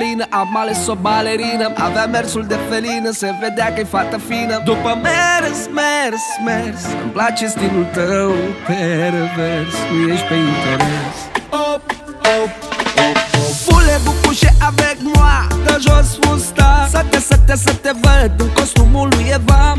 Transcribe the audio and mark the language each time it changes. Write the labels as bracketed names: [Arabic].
[Romanian] Am ales o balerină, avea mersul de felină, se vedea că-i fată fină. După mers, îmi place stilul tău pervers, nu ești pe interes. Op, [French] voulez-vous coucher avec moi, [Romanian] de jos fusta. Să te văd în costumul lui Eva.